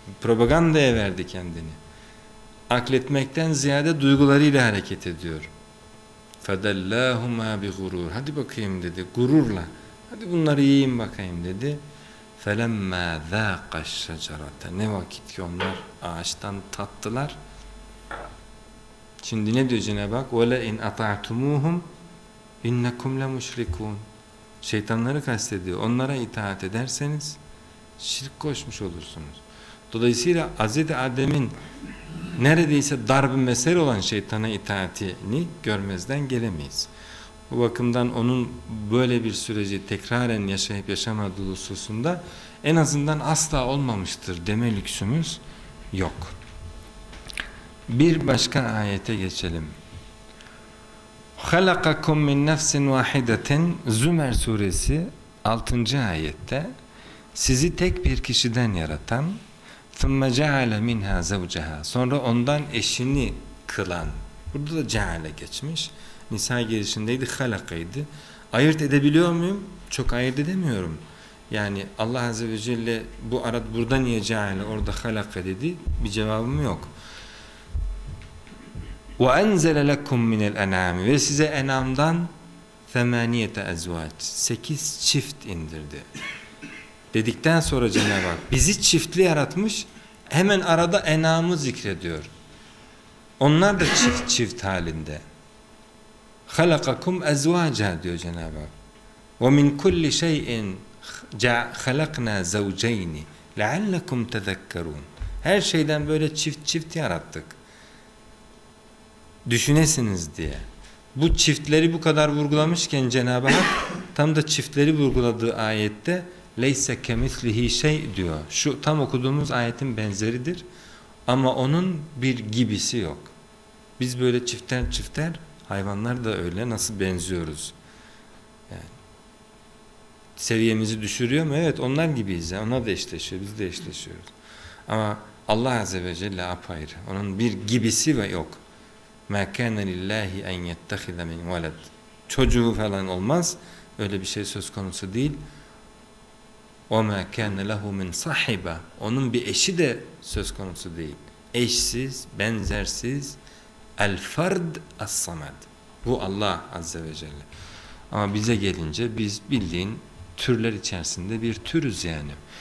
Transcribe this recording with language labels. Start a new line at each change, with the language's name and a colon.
Turkish: Propagandaya verdi kendini. Akletmekten ziyade duygularıyla hareket ediyor.
Arabic: فَدَلَّاهُمَا بِغُرُورِ
Turkish: Hadi bakayım dedi gururla. Hadi bunları yiyeyim bakayım dedi.
Arabic: فَلَمَّا ذَاقَ الشَّجَرَةَ
Turkish: Ne vakit ki onlar ağaçtan tattılar. Şimdi ne diyor Cenab-ı Hak?
Arabic: وَلَاِنْ اَطَعْتُمُوهُمْ اِنَّكُمْ لَمُشْرِكُونَ
Turkish: Şeytanları kastediyor. Onlara itaat ederseniz şirk koşmuş olursunuz. Dolayısıyla Hazreti Adem'in neredeyse darb-ı mesel olan şeytana itaatini görmezden gelemeyiz. Bu bakımdan onun böyle bir süreci tekraren yaşayıp yaşamadığı hususunda en azından asla olmamıştır deme lüksümüz yok. Bir başka ayete geçelim.
Arabic: خَلَقَكُمْ مِنْ نَفْسٍ وَاحِدَةٍ
Turkish: Zümer suresi 6. ayette sizi tek bir kişiden yaratan
Arabic: ثُمَّ جَعَلَ مِنْهَا زَوْجَهَا
Turkish: sonra ondan eşini kılan, burada da ceale geçmiş, Nisa girişindeydi, halakaydı. Ayırt edebiliyor muyum? Çok ayırt edemiyorum. Yani Allah Azze ve Celle bu arat burada niye ceale, orada halaka dedi, bir cevabım yok.
Arabic: وَاَنْزَلَ لَكُمْ مِنَ الْاَنْعَامِ
Turkish: ve size enamdan
Arabic: ثَمَانِيَةَ اَزْوَاجِ
Turkish: 8 çift indirdi. Dedikten sonra Cenab-ı Hak bizi çiftli yaratmış, hemen arada enamı zikrediyor. Onlar da çift çift halinde.
Arabic: خَلَقَكُمْ اَزْوَاجًا
Turkish: diyor Cenab-ı Hak.
Arabic: وَمِنْ كُلِّ شَيْءٍ خَلَقْنَا زَوْجَيْنِ لَعَلَّكُمْ تَذَكَّرُونَ
Turkish: Her şeyden böyle çift çift yarattık. Düşünesiniz diye. Bu çiftleri bu kadar vurgulamışken Cenab-ı Hak tam da çiftleri vurguladığı ayette
Arabic: لَيْسَ كَمِثْلِهِ
Turkish: şey diyor. Şu tam okuduğumuz ayetin benzeridir. Ama onun bir gibisi yok. Biz böyle çifter çifter, hayvanlar da öyle, nasıl benziyoruz? Yani seviyemizi düşürüyor mu? Evet, onlar gibiyiz. Yani. Onlar da eşleşiyor, biz de eşleşiyoruz. Ama Allah Azze ve Celle apayrı. Onun bir gibisi ve yok.
Arabic: مَا كَانَ لِلّٰهِ اَنْ يَتَّخِذَ مِنْ وَلَدْ
Turkish: Çocuğu falan olmaz. Öyle bir şey söz konusu değil.
Arabic: وَمَا كَانَ لَهُ مِنْ صَحِبًا
Turkish: Onun bir eşi de söz konusu değil. Eşsiz, benzersiz,
Arabic: الفرد الصمد
Turkish: Bu Allah Azze ve Celle. Ama bize gelince biz bildiğin türler içerisinde bir türüz yani.